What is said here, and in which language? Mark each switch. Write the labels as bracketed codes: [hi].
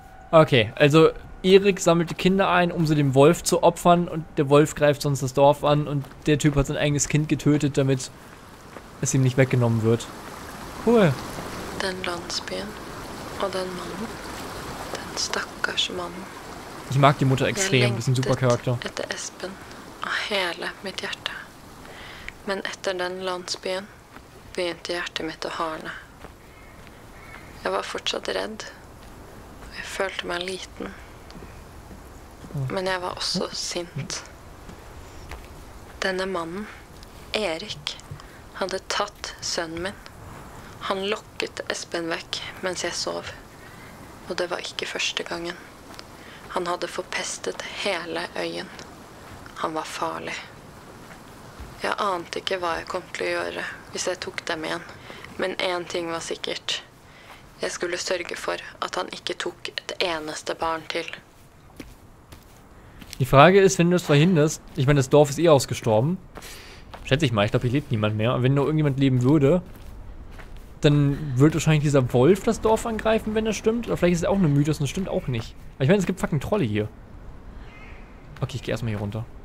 [de] Okay, altså, Erik sammelte Kinder ein, um sie dem Wolf zu opfern und der Wolf greift sonst das Dorf an und der Typ hat sein eigenes Kind getötet, damit... es ihm nicht weggenommen wird. Cool. [no] Den Landsbyen [de] und den Mann, den stackers Mann. Ich mag die Mutter extrem, das ist ein super Charakter. [no] Ich lengtet Espen und hele mitt hjerte. Men etter den Landsbyen begynte hjertet mitt å harne. Jeg var fortsatt redd. Jeg følte meg liten. Men jeg var også sint. Denne mannen, Erik, hadde tatt sønnen min. Han lokket Espen vekk mens jeg sov. Og det var ikke første gangen. Han hadde forpestet hele øyen. Han var farlig. Jeg ante ikke hva jeg kom til å gjøre hvis jeg tok dem igjen. Men en ting var sikkert. Jeg skulle sørge for at han ikke tok et eneste barn til. [de] Die Frage ist, wenn du es verhinderst, ich meine, das Dorf ist eh ausgestorben. Schätze ich mal, ich glaube, hier lebt niemand mehr. Wenn nur irgendjemand leben würde, dann würde wahrscheinlich dieser Wolf das Dorf angreifen, wenn das stimmt. Oder vielleicht ist es auch eine Mythos und das stimmt auch nicht. Aber ich meine, es gibt fucking Trolle hier. Okay, ich gehe erstmal hier runter.